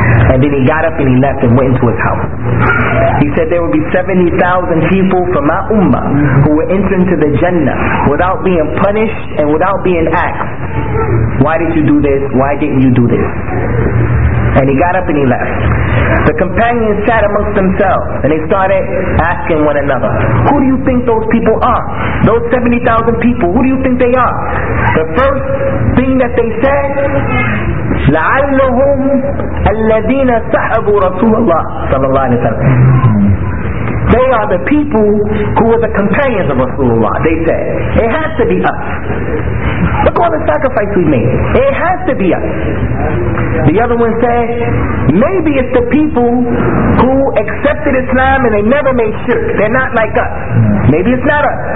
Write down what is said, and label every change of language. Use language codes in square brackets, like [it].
[en] And then he got up and he left and went into his house. He said there will be 70,000 people from my ummah who will enter into the Jannah without being punished and without being asked, why did you do this? Why didn't you do this? And he got up and he left. The companions sat amongst themselves and they started asking one another, who do you think those people are? Those 70,000 people, who do you think they are? The first thing that they said, [ar] لَعَلَّهُمْ الَّذِينَ سَحَبُوا رَسُولَ اللَّهِ صلى الله عليه وسلم. [en] They are the people who were the companions of Rasulullah. They said, it has to be us. Look at all the sacrifice we made. It has to be us. The other one said, maybe it's the people who accepted Islam and they never made shirk. They're not like us. Maybe it's not us.